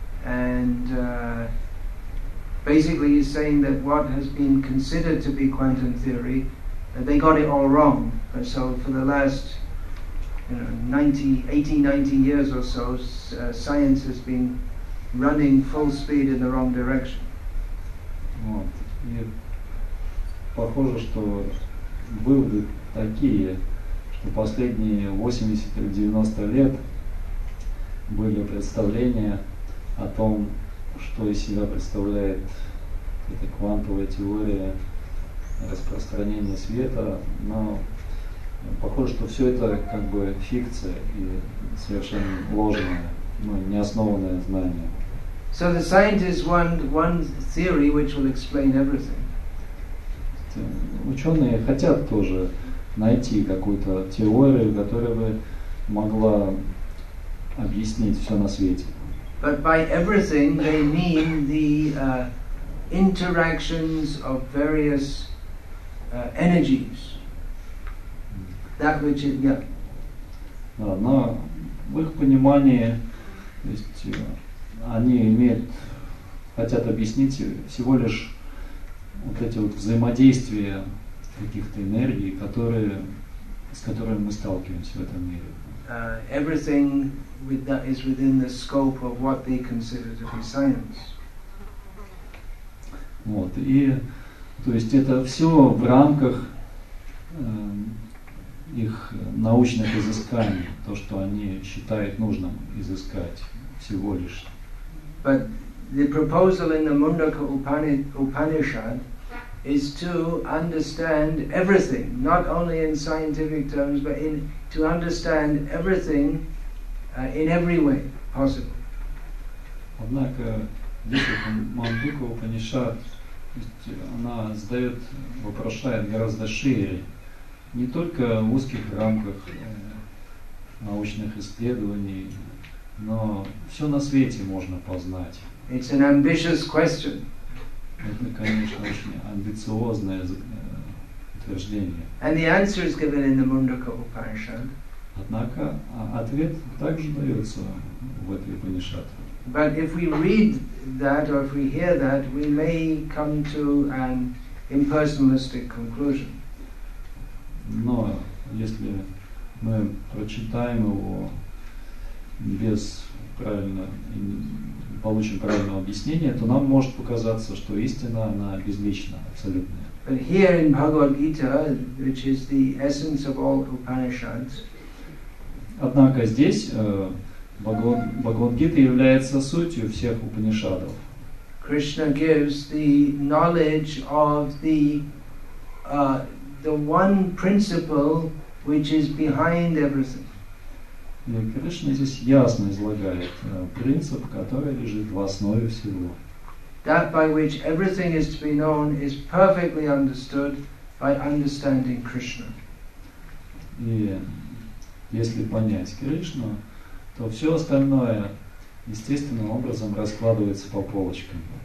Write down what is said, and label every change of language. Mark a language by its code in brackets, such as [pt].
[en] And basically he's saying that what has been considered to be quantum theory, they got it all wrong. So for the last 80-90 years or so, science has been running full speed in the wrong direction. [ru] Вот. И похоже, что выводы такие, что последние 80-90 лет были представления о том, что из себя представляет это квантовая теория распространения света, но похоже, что все это как бы фикция и совершенно ложное, ну, неоснованное знание. [en] So the scientists want one theory which will explain everything. [ru] Ученые хотят тоже найти какую-то теорию, которая бы могла объяснить все на свете. [en] But by everything they mean the interactions of various energies. That which is yeah. [ru] Да, но в их понимании, то есть они имеют, хотят объяснить всего лишь вот эти вот взаимодействия каких-то энергий, которые, с которыми мы сталкиваемся в этом мире. [en] Everything with that is within the scope of what they consider to be science. [ru] Вот, и то есть это все в рамках их научных изысканий, то, что они считают нужным изыскать всего лишь. [en] But the proposal in the Mundaka Upanishad is to understand everything, not only in scientific terms, but in to understand everything in every way possible. [ru] Однако здесь вот Мандука Упанишад, она задает, вопрошает гораздо шире, не только в узких рамках научных исследований, но все на свете можно познать. [en] It's an ambitious question. [ru] Это, конечно, очень амбициозное утверждение. [en] And the answer is given in the Mundaka Upanishad. [ru] Однако ответ также дается в этой Упанишаде. [en] But if we read that or if we hear that, we may come to an impersonalistic conclusion. [ru] Но если мы прочитаем его без правильно, получим правильное объяснение, то нам может показаться, что истина, она безлична, абсолютная. [en] But here in Bhagavad Gita, which is the essence of all Upanishads, [ru] однако здесь Бхагавад Гита является сутью всех Упанишадов. [en] Krishna gives the knowledge of the one principle which is behind everything. [ru] И Кришна здесь ясно излагает принцип, который лежит в основе всего. [en] That by which everything is to be known is perfectly understood by understanding Krishna. [ru] И если понять Кришну, то все остальное естественным образом раскладывается по полочкам.